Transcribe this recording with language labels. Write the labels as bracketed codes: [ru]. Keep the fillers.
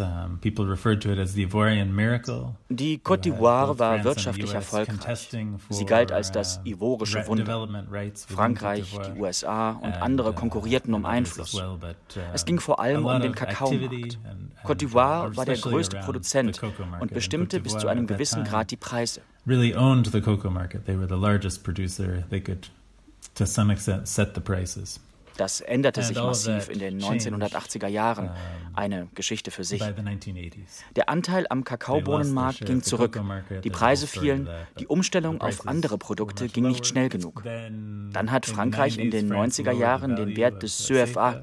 [en] Um, people referred to it as the Ivorian miracle. [de] Die Côte d'Ivoire war wirtschaftlich erfolgreich. Sie galt als das ivorische Wunder. Frankreich, die USA und andere konkurrierten um Einfluss. Es ging vor allem um den Kakaomarkt. Côte d'Ivoire war der größte Produzent und bestimmte bis zu einem gewissen Grad die Preise. [en] Really owned the cocoa market. They were the largest producer. They could to some extent set the prices. [de] Das änderte sich massiv in den 1980er Jahren. Eine Geschichte für sich. Der Anteil am Kakaobohnenmarkt ging zurück. Die Preise fielen. Die Umstellung auf andere Produkte ging nicht schnell genug. Dann hat Frankreich in den 90er Jahren den Wert des CFA